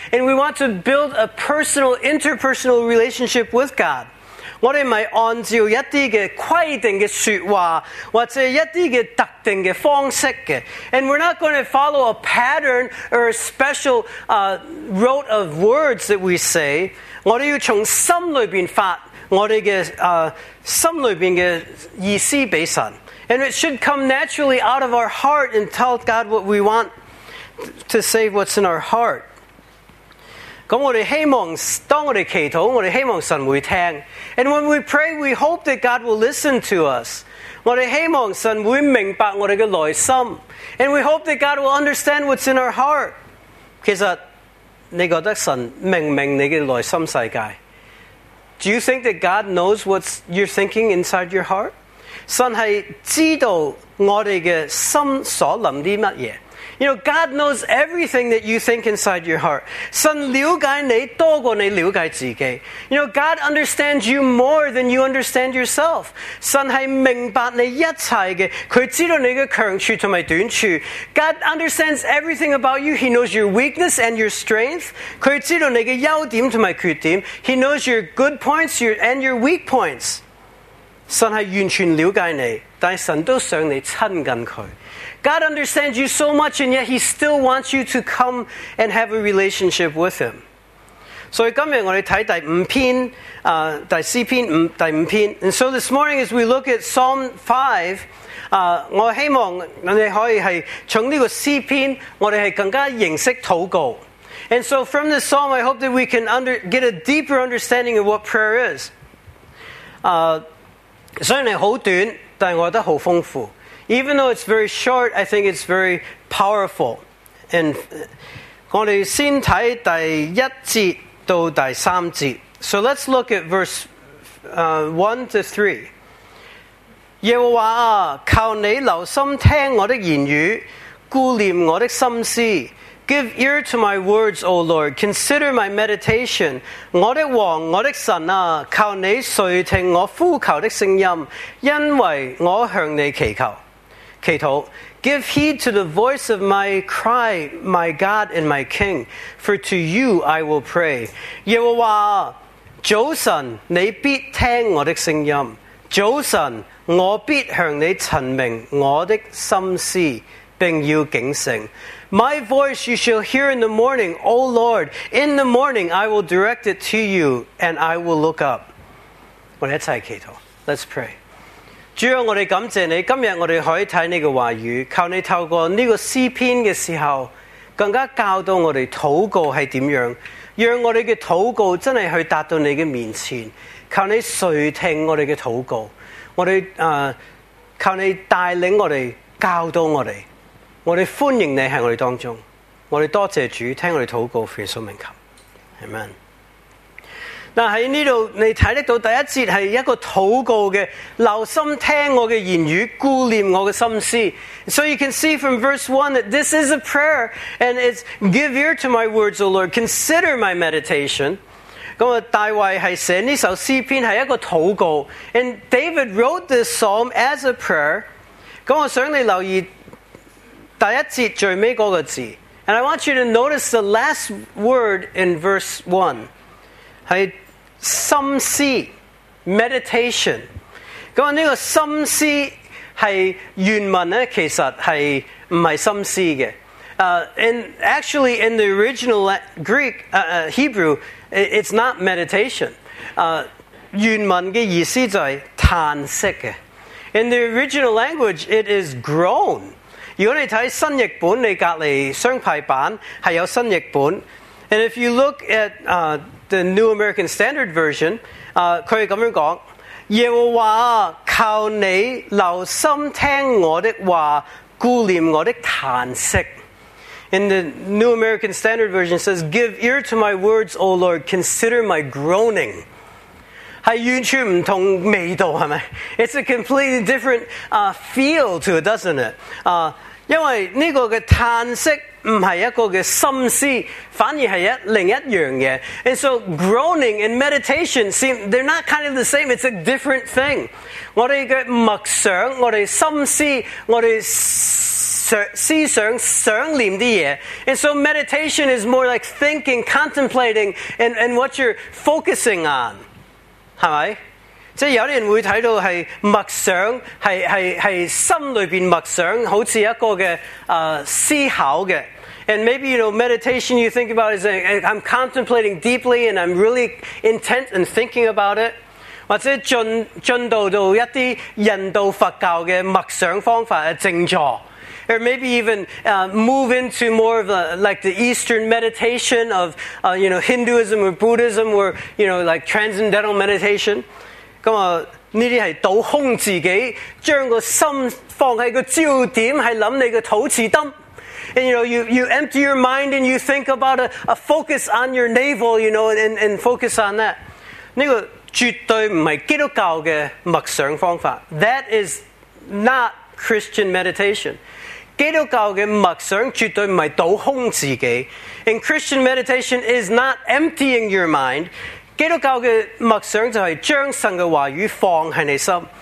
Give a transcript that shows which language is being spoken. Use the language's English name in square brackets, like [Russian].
[English] And we want to build a personal, interpersonal relationship with God. [Cantonese] 我哋咪按照一啲嘅规定嘅说话，或者一啲嘅特定嘅方式嘅。 [English] And we're not going to follow a pattern or a special rote of words that we say. [Cantonese] 我哋要从心里边发我哋嘅心里边嘅意思俾神。 [English] And it should come naturally out of our heart and tell God what we want to say what's in our heart. [Cantonese] 咁我哋希望当我哋祈祷，我哋希望神会听。 [English] And when we pray, we hope that God will listen to us. [Cantonese] 我哋希望神会明白我哋嘅内心。 [English] And we hope that God will understand what's in our heart. [Cantonese] 其实你觉得神明明你嘅内心世界？ [English] Do you think that God knows what you're thinking inside your heart? [Cantonese] 神系知道我哋嘅心所谂啲乜嘢。 [English] You know, God knows everything that you think inside your heart. [Cantonese] 神了解你多过你了解自己。 [English] You know, God understands you more than you understand yourself. [Cantonese] 神系明白你一切嘅，佢知道你嘅强处同埋短处。 [English] God understands everything about you. He knows your weakness and your strength. [Cantonese] 佢知道你嘅优点同埋缺点。 [English] He knows your good points and your weak points. [Cantonese] 神系完全了解你，但神都想你亲近佢。 [English] God understands you so much, and yet He still wants you to come and have a relationship with Him. [Cantonese] So, 今日我哋睇第五篇，第四篇，第五篇。 [English] And so, this morning, as we look at Psalm 5, [Cantonese] 我希望我哋可以系从呢个诗篇，我哋系更加认识祷告。 [English] And so, from this psalm, I hope that we can get a deeper understanding of what prayer is. [Cantonese] 虽然系好短，但系我觉得好丰富。 [English] Even though it's very short, I think it's very powerful. [Cantonese] And 我哋先睇第一节到第三节。 [English] So let's look at verse 1 to 3. [Cantonese] 耶和华啊，求你留心听我的言语，顾念我的心思。 [English] Give ear to my words, O Lord. Consider my meditation. [Cantonese] 我的王，我的神啊，求你垂听我呼求的声音，因为我向你祈求。 [English] Give heed to the voice of my cry, my God and my King, for to you I will pray. [Cantonese] 耶和华，早晨你必听我的声音，早晨我必向你陈明我的心思，并要警醒。 [English] My voice you shall hear in the morning, O Lord, in the morning I will direct it to you, and I will look up. [Cantonese] 我们一起祈祷。 [English] Let's pray. [Cantonese] 主要我们感谢你，今天我们可以看你的话语，求你透过这个诗篇的时候更加教导我们祷告是怎样，让我们的祷告真的去达到你的面前，求你垂听我们的祷告，我们求你带领我们教导我们，我们欢迎你在我们当中，我们多谢主听我们祷告，奉耶稣名求， Amen。但在这里你看得到第一节是一个祷告的，留心听我的言语，顾念我的心思。 [English] So you can see from verse 1 that this is a prayer, and it's give ear to my words, O Lord, consider my meditation. [Cantonese] 大卫是写这首诗篇是一个祷告， [English] and David wrote this psalm as a prayer. [Cantonese] 我想你留意第一节最尾那个字， [English] and I want you to notice the last word in verse 1 [Cantonese] 是心思 [English] meditation。 [Cantonese] 这个心思是原文呢，其实是不是心思的。 [English] And actually in the original Greek, Hebrew, it's not meditation. [Cantonese] 原文的意思就是叹息的。 [English] In the original language, it is groan. [Cantonese] 如果你看新译本，你隔离双排版是有新译本。 [English] And if you look at the New American Standard Version, [Cantonese] 可以咁样讲：耶和华靠你留心听我的话，顾念我的叹息。 [English] And the New American Standard Version says, "Give ear to my words, O Lord, consider my groaning." [Cantonese] 系完全唔同味道，系咪 [English] ？It's a completely different feel to it, doesn't it? [Cantonese] 因为呢个嘅叹息。不是一个心思，反而是另一样的。 [English] And so groaning and meditation seem, they're not kind of the same, it's a different thing. [Cantonese] 我们的默想，我们心思，我们思想，想念的东西。 [English] And so meditation is more like thinking, contemplating, and what you're focusing on. [Cantonese] 是吧？即有些人会看到是默想， 是心里面默想，好像一个的思考的。 [English] And maybe, you know, meditation you think about is I'm contemplating deeply and I'm really intent in thinking about it. [Cantonese] 或者进到到一啲印度佛教嘅默想方法嘅静坐。 [English] Or maybe even move into more of like the Eastern meditation of you know, Hinduism or Buddhism or you know, like transcendental meditation. [Cantonese] 咁啊，呢啲係倒空自己，將個心放喺個焦點，係諗你個肚臍燈。 [English] And you know, you empty your mind and you think about a focus on your navel, you know, and focus on that. [Cantonese] 呢個絕對唔係基督教嘅默想方法。 [English] That is not Christian meditation. [Cantonese] 基督教的默想绝对不是倒空自己。 [English] And Christian meditation is not emptying your mind. [Cantonese] 基督教的默想就是将神的话语放在你心。